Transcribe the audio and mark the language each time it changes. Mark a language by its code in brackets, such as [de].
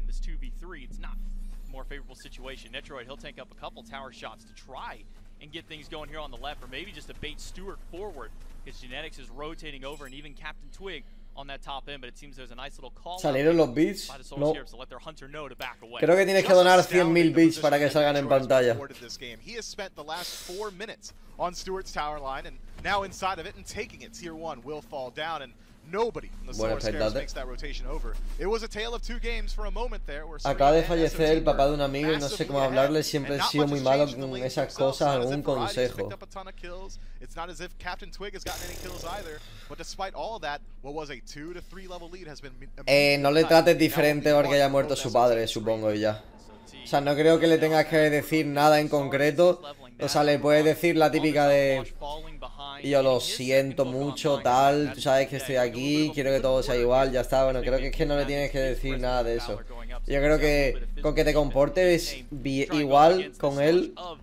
[en] In this 2v3, it's not a more favorable situation. Netroid, he'll tank up a couple tower shots to try and get things going here on the left, or maybe just to bait Stewart forward because Genetics is rotating over, and even Captain Twig on that top end, but it seems there's a nice little call. [es] Salieron los beats. No. [en] To let their hunter know to back away. [es] Creo que tienes que donar 100,000 beats para que salgan en pantalla. [en] He has spent the last 4 minutes on Stewart's tower line, and now inside of it and taking it. Tier 1 will fall down, and nobody in the Solar Scarabs makes that rotation over. It was a tale of two games for a moment there. [es] Acaba de fallecer el papá de un amigo y no sé cómo hablarle. Siempre he sido muy malo con esas cosas. Algún consejo. [en] It's not as if Captain Twig has gotten any kills either. But despite all that, what was a 2-3 level lead has been... [es] No le trates diferente porque haya muerto su padre, supongo, y ya. O sea, no creo que le tengas que decir nada en concreto. O sea, le puedes decir la típica de... Yo lo siento mucho, tal, tú sabes que estoy aquí, quiero que todo sea igual, ya está. Bueno, creo que es que no le tienes que decir nada de eso. Yo creo que con que te comportes igual con él...